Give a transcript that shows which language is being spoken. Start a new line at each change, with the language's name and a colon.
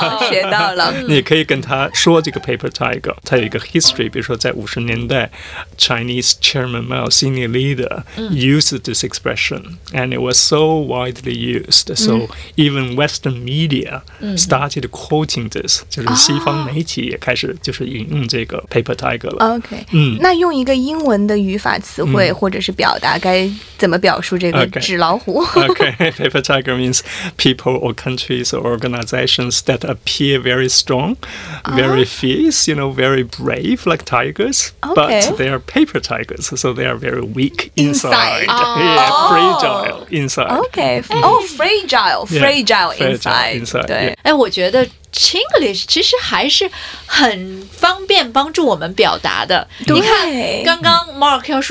Chinese: 学到了，你可以跟他说这个
English: paper tiger，
Chinese: 它有一个
English: history，
Chinese: 比如说在50年代
English: Chinese chairman Mao senior leader used this expression and it was so widely used so even western media started quoting this，
Chinese: 就是西方媒体也开始就是引用这个
English: paper tiger
Chinese: 了。
English: OK，
Chinese: 那用一个英文的语法词汇或者是表达该怎么表述这个纸老虎？
English: Okay, paper tiger means people or countries or organizations that appear very strong, very fierce, you know, very brave like tigers, but they are paper tigers, so they are very weak inside, fragile inside.
Chinese: 我觉得 Chinglish 其实还是很方便帮助我们表达的。你看刚刚 Mark